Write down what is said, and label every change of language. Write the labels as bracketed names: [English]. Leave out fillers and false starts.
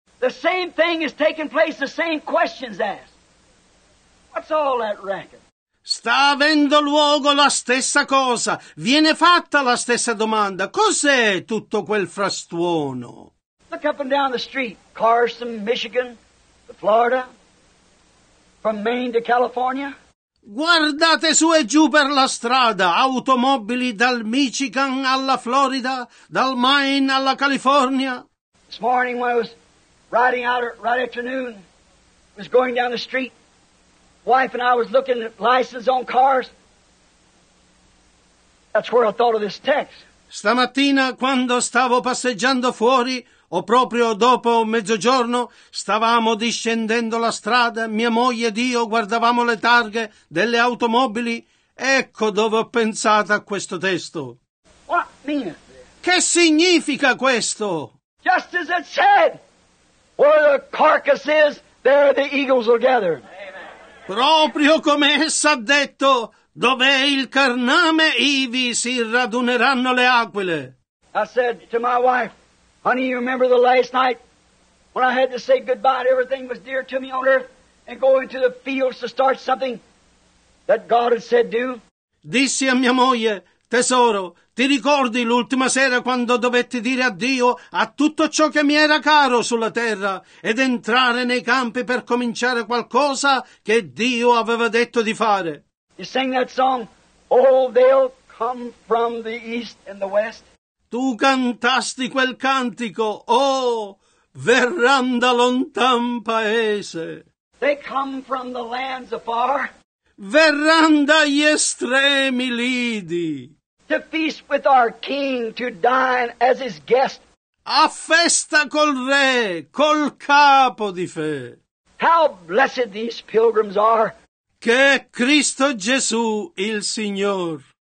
[English] The same thing is taking place, the same questions asked. What's all that racket? [Italian] Sta avendo luogo la stessa cosa. Viene fatta la stessa domanda. Cos'è tutto quel frastuono? [English] Look up and down the street. Carson, Michigan, Florida, from Maine to California. [Italian] Guardate su e giù per la strada, automobili dal Michigan alla Florida, dal Maine alla California. [English] This morning when I was riding out right after noon, I was going down the street. Wife and I was looking at license on cars. That's where I thought of this text. [Italian] Stamattina quando stavo passeggiando fuori, o proprio dopo mezzogiorno, stavamo discendendo la strada, mia moglie ed io guardavamo le targhe delle automobili, ecco dove ho pensato a questo testo. [English] What means? [Italian] Che significa questo? [English] Just as it said, where the carcass is, there the eagles will gather. Amen. [Italian] Proprio come essa ha detto, dove il carname, ivi si raduneranno le aquile. [English] I said to my wife, honey, you remember the last night when I had to say goodbye to everything was dear to me on earth and go into the fields to start something that God had said do? [Italian] Dissi a mia moglie, tesoro, ti ricordi l'ultima sera quando dovetti dire addio a tutto ciò che mi era caro sulla terra ed entrare nei campi per cominciare qualcosa che Dio aveva detto di fare? [English] You sing that song, oh, they'll come from the east and the west. [Italian] Tu cantasti quel cantico, oh, verran da lontan paese. [English] They come from the lands afar. [Italian] Verran dagli estremi lidi. [English] To feast with our king, to dine as his guest. [Italian] A festa col re, col capo di fe. [English] How blessed these pilgrims are. [Italian] Che è Cristo Gesù il Signor.